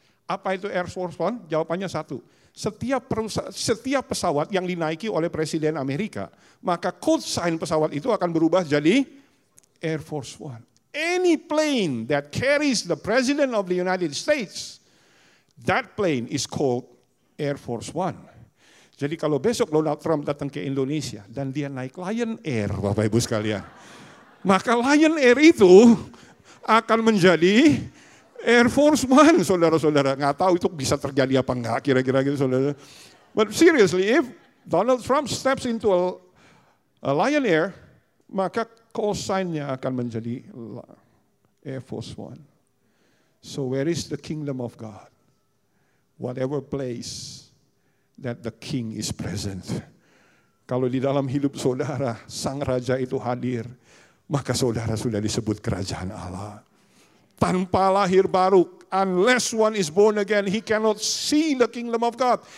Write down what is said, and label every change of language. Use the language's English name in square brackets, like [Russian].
[Indonesian] Apa itu Air Force One? Jawabannya satu. Setiap pesawat yang dinaiki oleh Presiden Amerika, maka code sign pesawat itu akan berubah jadi Air Force One. [English] Any plane that carries the President of the United States, that plane is called Air Force One. [Indonesian] Jadi kalau besok Donald Trump datang ke Indonesia dan dia naik Lion Air, Bapak Ibu sekalian, maka Lion Air itu akan menjadi Air Force One, saudara-saudara. Nggak tahu itu bisa terjadi apa enggak, kira-kira gitu, saudara. [English] But seriously, if Donald Trump steps into a Lion Air, [Indonesian] maka call sign-nya akan menjadi Air Force One. [English] So where is the kingdom of God? Whatever place that the king is present. [Indonesian] Kalau di dalam hidup saudara, sang raja itu hadir, maka saudara sudah disebut kerajaan Allah. Tanpa lahir baru, [English] unless one is born again, he cannot see the kingdom of God.